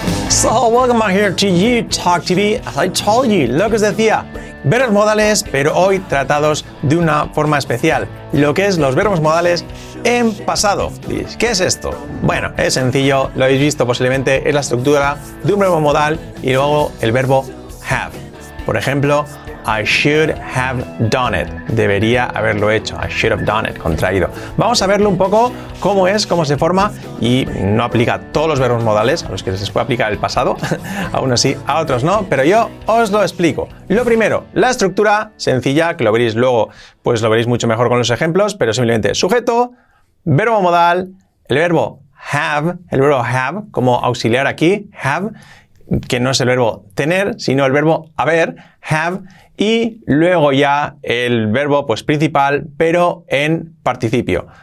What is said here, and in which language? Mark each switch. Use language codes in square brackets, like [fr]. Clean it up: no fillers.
[en] So, welcome back here to UTalk TV. As I told you, [es] lo que os decía, verbos modales, pero hoy tratados de una forma especial. Lo que es los verbos modales en pasado. ¿Qué es esto? Bueno, es sencillo, lo habéis visto posiblemente, es la estructura de un verbo modal y luego el verbo have. Por ejemplo, [en] I should have done it. [es] Debería haberlo hecho. [en] I should have done it. Contraído. [es] Vamos a verlo un poco cómo es, cómo se forma y no aplica a todos los verbos modales a los que se les puede aplicar el pasado. Aún así, a otros no, pero yo os lo explico. Lo primero, la estructura sencilla, que lo veréis luego, pues lo veréis mucho mejor con los ejemplos, pero simplemente sujeto, verbo modal, el verbo have como auxiliar aquí, have, que no es el verbo tener, sino el verbo haber, have, y luego ya el verbo pues principal, pero en participio.